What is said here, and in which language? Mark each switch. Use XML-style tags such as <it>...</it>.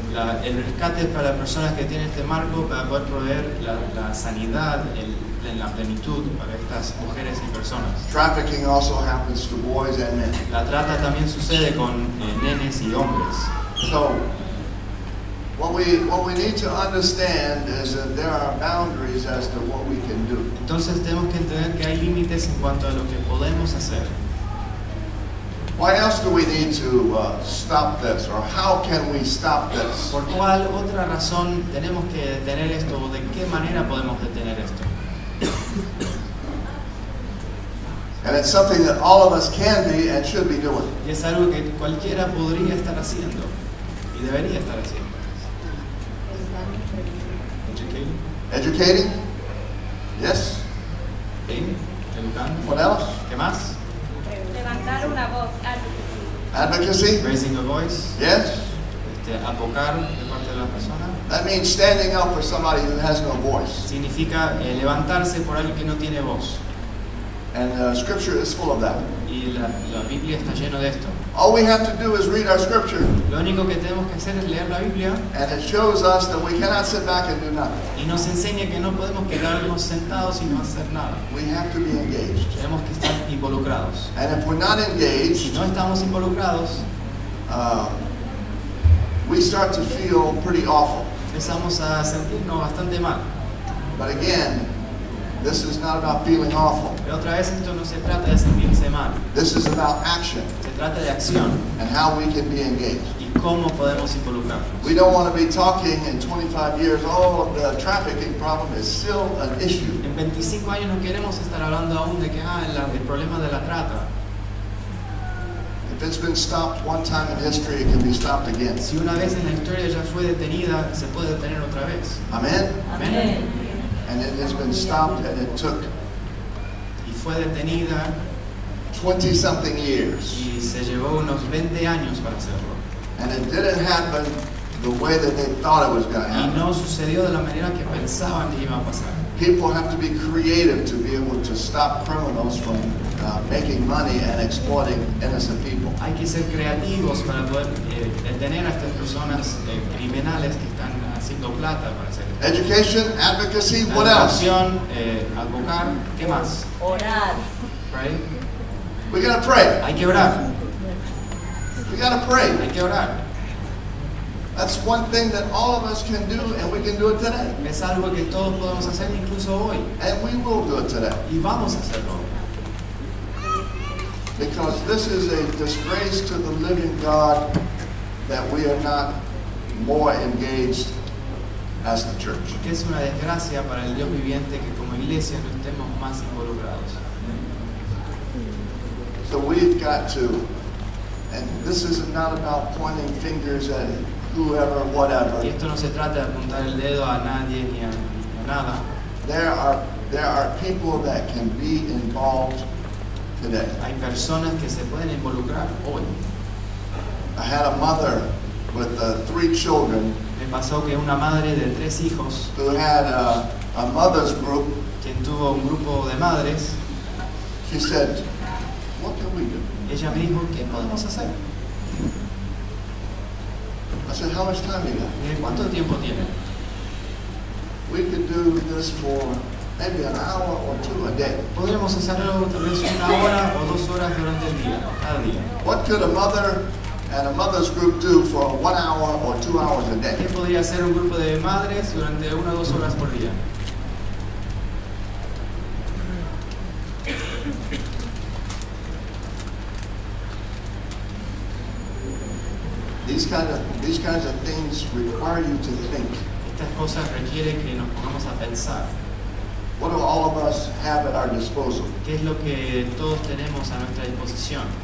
<es>El rescate es para personas que tienen este marco para poder proveer la sanidad, la plenitud para estas mujeres y personas.</es> <en>Trafficking also happens to boys and men.</en> <es>La trata también sucede con nenes y hombres.</es> <en>So, What we need to understand is that there are boundaries as to what we can do.</en> <es>Entonces tenemos que entender que hay límites en cuanto a lo que podemos hacer.</es> <en>Why else do we need to stop this, or how can we stop this?</en> <es>¿Por cuál otra razón tenemos que detener esto, o de qué manera podemos detener esto?</es> <en>And it's something that all of us can be and should be doing.</en> <es>Y es algo que cualquiera podría estar haciendo y debería estar haciendo.</es> <en>Educating? Yes.</en> <es>Educando.</es> <en>What else?</en> <es>¿Qué más? Levantar una voz.</es> <en>Advocacy? Raising a voice. Yes.</en> <es>Abogar de parte de la persona.</es> <en>That means standing up for somebody who has no voice.</en> <es>Significa levantarse por alguien que no tiene voz.</es> <en>And scripture is full of that.</en> <es>Y la Biblia está llena de esto.</es> <en>All we have to do is read our scripture.</en> <es>Lo único que tenemos que hacer es leer la Biblia.</es> <en>And it shows us that we cannot sit back and do nothing.</en> <es>Y nos enseña que no podemos quedarnos sentados y no hacer nada.</es> <en>We have to be engaged.</en> <es>Tenemos que estar involucrados.</es> <en>And if we're not engaged,</en> <es>si no estamos involucrados,</es> <en>we start to feel pretty awful.</en> <es>Empezamos a sentirnos bastante mal.</es> <en>But again, this is not about feeling awful.</en> <es>Pero otra vez, esto no se trata de sentirse mal.</es> <en>This is about action.</en> <es>Se trata de acción.</es> <en>And how we can be engaged.</en> <es>Y cómo podemos involucrarnos.</es> <en>We don't want to be talking in 25 years, oh, the trafficking problem is still an issue.</en> <es>En 25 años no queremos estar hablando aún de que el problema de la trata.</es> <en>If it's been stopped one time in history, it can be stopped again.</en> <es>Si una vez en la historia ya fue detenida, se puede detener otra vez.</es> <en>Amen.</en> <es>Amen.</es> <en>And it has been stopped, and it took 20-something years.</en> <es>Y se llevó unos 20 años para hacerlo.</es> <en>And it didn't happen the way that they thought it was going to happen.</en> <es>Y no sucedió de la manera que pensaban que iba a pasar.</es> <en>People have to be creative to be able to stop criminals from making money and exploiting innocent people.</en> <es>Hay que ser creativos para poder detener a estas personas criminales que están haciendo plata para hacer.</es> <en>Education, advocacy,</en> <es>la</es> <en>what else?</en> <es>Educación, advocar, ¿qué más? Orar.</es> <en>Right? We're going to pray.</en> <es>Hay que orar.</es> <en>We got to pray.</en> <es>Hay que orar.</es> <en>That's one thing that all of us can do, and we can do it today.</en> <es>Es algo que todos podemos hacer, incluso hoy.</es> <en>And we will do it today.</en> <es>Y vamos a hacerlo.</es> <en>Because this is a disgrace to the living God that we are not more engaged as the church.</en> <es>Que es una desgracia para el Dios viviente que como iglesia no estemos más involucrados.</es> <en>So we've got to, and this is not about pointing fingers at whoever, whatever.</en> <es>Y esto no se trata de apuntar el dedo a nadie ni a nada.</es> <en>There are people that can be involved today.</en> <es>Hay personas que se pueden involucrar hoy.</es> <en>I had a mother with three children.</en> <es>Me pasó que una madre de tres hijos,</es> <en>who had a mother's group,</en> <es>quien tuvo un grupo de madres,</es> <en>she said, "What can we do?"</en> <es>Ella me dijo, ¿qué podemos hacer?</es> <en>I said, "How much time do you have?"</en> <es>¿Cuánto tiempo tiene?</es> <en>We could do this for maybe an hour or two a day.</en> <es>Podríamos hacerlo tal vez una hora o dos horas durante el día, cada día.</es> <en>What could a mother and a mother's group do for 1 hour or 2 hours a day?</en> <es>¿Qué podría hacer un grupo de madres durante una o dos horas por día?</es> <en>These kinds of things require you to think.</en> <es>Estas cosas requieren que nos pongamos a pensar.</es> <en>What do all of us have at our disposal?</en> <es>¿Qué es lo que todos tenemos a nuestra disposición?</es>